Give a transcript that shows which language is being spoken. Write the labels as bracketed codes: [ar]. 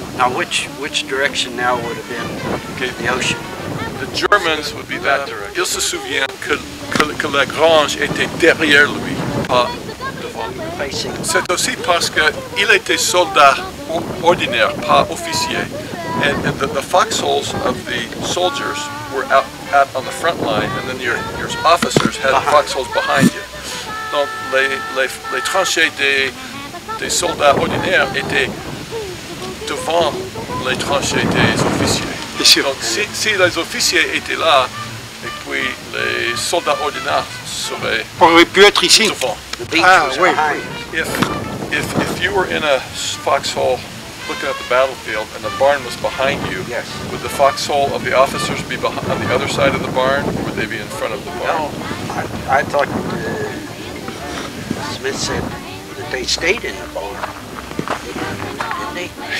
[en] Now which direction now would have been the ocean? The Germans would be that direction. [fr] Il se souvient que la grange était derrière lui, pas devant. C'est aussi parce qu'il était soldat ordinaire, pas officier. [en] And the foxholes of the soldiers were out on the front line, and then your officers had foxholes behind you. [fr] Donc les tranchées des soldats ordinaires étaient devant les tranchées des officiers. Bien sûr. Donc si les officiers étaient là, et puis les soldats ordinaires seraient auraient pu être ici. Devant. [en] If you were in a foxhole looking at the battlefield and the barn was behind you, yes, would the foxhole of the officers be on the other side of the barn, or would they be in front of the barn? No, I thought Smith said that they stayed in the barn, didn't they?